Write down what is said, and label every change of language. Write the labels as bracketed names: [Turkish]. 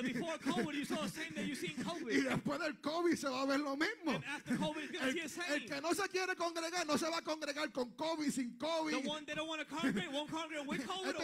[English] Because before COVID, you saw the same that you see in COVID. [Spanish] Y después del COVID se va a ver lo mismo. [English] And after COVID, you're going to see the same. [Spanish] El que no se quiere congregar, no se va a congregar con COVID, sin COVID. [English] The one that don't want to congregate, won't congregate with COVID